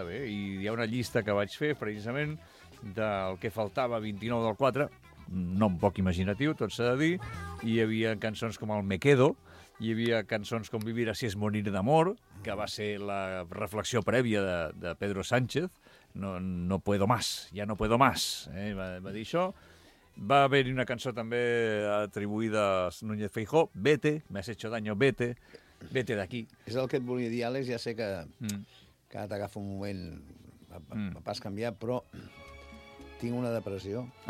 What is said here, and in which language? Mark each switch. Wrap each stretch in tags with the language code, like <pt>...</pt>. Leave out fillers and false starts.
<ca>I hi ha una llista que vaig fer, precisament, del que faltava 29 del 4, nom poc imaginatiu, tot s'ha de dir, i hi havia cançons com el Me Quedo, hi havia cançons com Vivir así es morir d'amor, que va ser la reflexió prèvia de Pedro Sánchez.</ca> <es>No puedo más, ya no puedo más, va dir això.</es> <ca>Va haver-hi una cançó també atribuïda a Núñez Feijó,</ca> <es>Vete, me has hecho daño, vete</es> <ca>d'aquí. És el que et volia dir, Àlex, ja sé que ara t'agafo un moment, m'ha pas canviat, però tinc una depressió.</ca>